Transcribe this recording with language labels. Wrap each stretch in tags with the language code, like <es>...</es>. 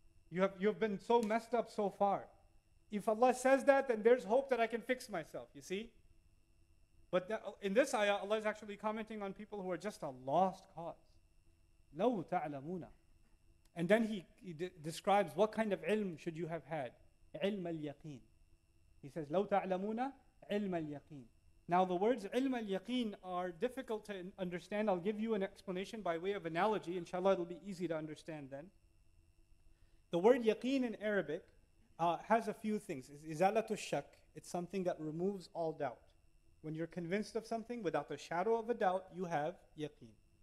<en>You have been so messed up so far. If Allah says that, then there's hope that I can fix myself, you see? But that, in this ayah, Allah is actually commenting on people who are just a lost cause.</en> <ar>لَوْ تَعْلَمُونَ.</ar> <en>And then he describes what kind of ilm should you have had. Ilm al-yaqeen. He says,</en> <ar>لو تعلمون علم اليقين.</ar> <en>Now the words</en> <ar>علم اليقين</ar> <en>are difficult to understand. I'll give you an explanation by way of analogy. Inshallah, it'll be easy to understand then. The word yaqeen in Arabic has a few things. It's</en> <ar>izalatu shak.</ar> <en>It's something that removes all doubt. When you're convinced of something, without the shadow of a doubt, you have yaqeen.</en>